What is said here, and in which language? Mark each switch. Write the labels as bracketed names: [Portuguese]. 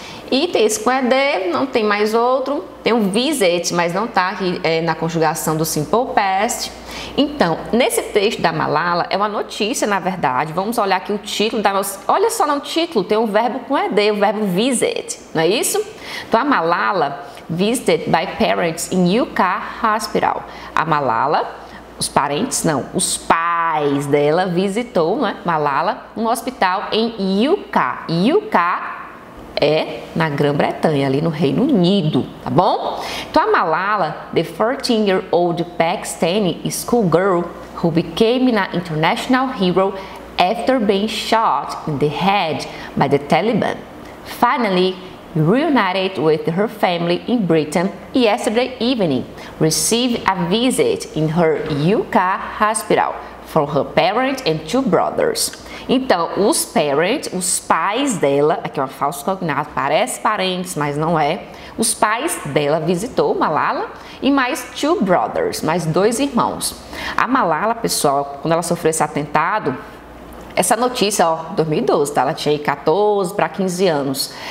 [Portuguese] E tem esse com ED, não tem mais outro. Tem um visit, mas não tá aqui na conjugação do Simple Past. Então, nesse texto da Malala, é uma notícia, na verdade. Vamos olhar aqui o título da nossa... Olha só no título, tem um verbo com ED, o verbo visit, não é isso? [English] Então, a Malala visited by parents in UK hospital. [Portuguese] A Malala... Os parentes, não. Os pais dela visitou, né, Malala, um hospital em UK. UK é na Grã-Bretanha, ali no Reino Unido, tá bom? [English] Então, a Malala, the 14-year-old Pakistani schoolgirl who became an international hero after being shot in the head by the Taliban, finally reunited with her family in Britain yesterday evening, received a visit in her UK hospital from her parents and two brothers. [Portuguese] Então, os parents, os pais dela, aqui é um falso cognato, parece parentes, mas não é. Os pais dela visitou Malala e mais [English] two brothers, [Portuguese] mais dois irmãos. A Malala, pessoal, quando ela sofreu esse atentado, essa notícia, ó, 2012, tá? Ela tinha aí 14 para 15 anos.